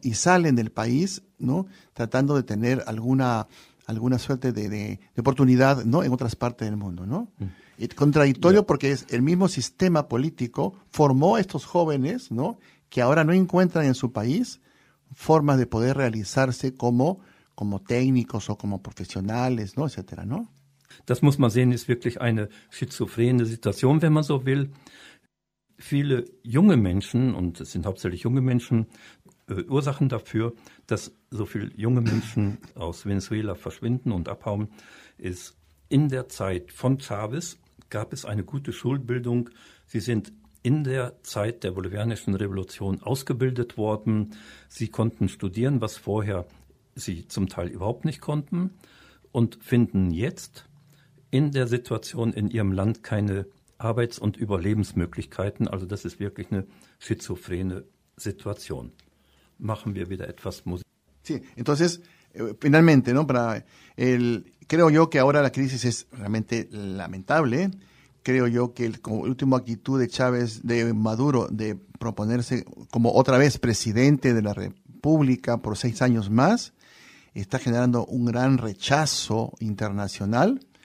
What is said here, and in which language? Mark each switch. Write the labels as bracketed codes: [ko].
[es] Y salen del país, ¿no? Tratando de tener alguna suerte de oportunidad, ¿no? En otras partes del mundo, ¿no? Y contradictorio porque es el mismo sistema político formó a estos jóvenes, ¿no? Que ahora no encuentran en su país formas de poder realizarse como técnicos o como profesionales, ¿no? Etcétera, ¿no? [de] Das muss man sehen, ist wirklich eine schizophrene Situation, wenn man so will. Viele junge Menschen, und es sind hauptsächlich junge Menschen, Ursachen dafür, dass so viele junge Menschen aus Venezuela verschwinden und abhauen, ist, in der Zeit von Chávez gab es eine gute Schulbildung. Sie sind in der Zeit der Bolivianischen Revolution ausgebildet worden. Sie konnten studieren, was vorher sie zum Teil überhaupt nicht konnten, und finden jetzt in der Situation in ihrem Land keine Arbeits- und Überlebensmöglichkeiten. Also das ist wirklich eine schizophrene Situation. Machen wir wieder etwas Musik. [es] Sí, entonces, finalmente, ¿no? Para el, creo yo que ahora la crisis es realmente lamentable. Creo yo que como última actitud de Chávez, de Maduro, de proponerse como otra vez presidente de la República por 6 años más, está generando un gran rechazo internacional.